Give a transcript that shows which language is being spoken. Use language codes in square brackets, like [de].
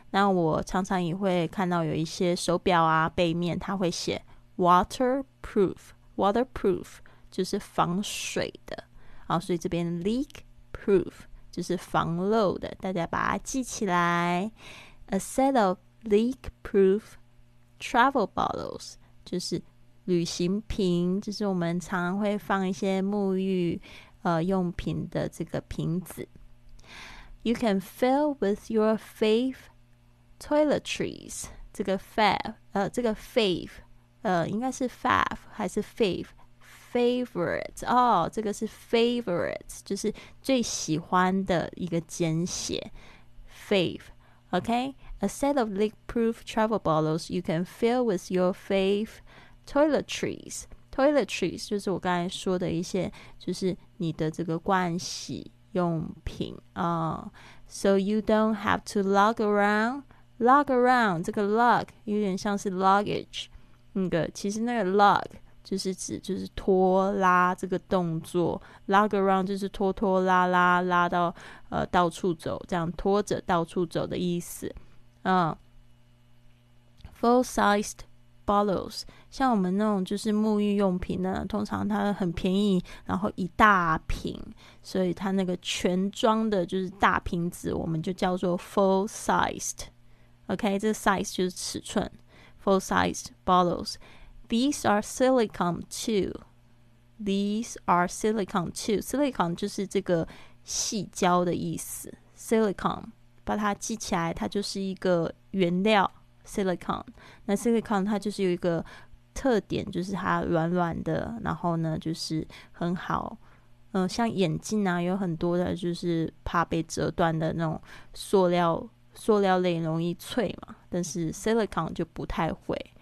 [zh] 那我常常也会看到有一些手表啊背面它会写 waterproof， waterproof 就是防水的、所以这边 leakproof 就是防漏的，大家把它记起来。 [en] A set of leakproof travel bottles [zh] 就是旅行瓶，就是我们常常会放一些沐浴用品的这个瓶子。 [en] You can fill with your fave toiletries， [zh] 这个 fave、这个 fave、应该是 fave 还是 fave favorite、这个是 favorite， 就是最喜欢的一个简写 fave。 [en] OK， a set of leak-proof travel bottles you can fill with your fave toiletriestoiletries [zh] 就是我刚才说的一些，就是你的这个盥洗用品、 [en] So you don't have to lug around. [zh] Lug around 这个 lug 有点像是 luggage， 那个其实那个 lug 就是指就是拖拉这个动作， lug around 就是拖拖拉拉，拉到到处走，这样拖着到处走的意思。 [en] Full sized bottles， [zh] 像我们那种就是沐浴用品呢，通常它很便宜，然后一大瓶，所以它那个全装的就是大瓶子，我们就叫做 full sized。 OK， 这 size 就是尺寸， [en] full sized bottles. These are silicone too. These are silicone too. [zh] Silicone 就是这个细胶的意思， silicone 把它记起来，它就是一个原料 silicone。那 silicone 它就是有一个特点，就是它软软的，然后呢就是很好、像眼镜啊，有很多的就是怕被折断的那种塑料类容易脆嘛，但是 silicone 就不太会。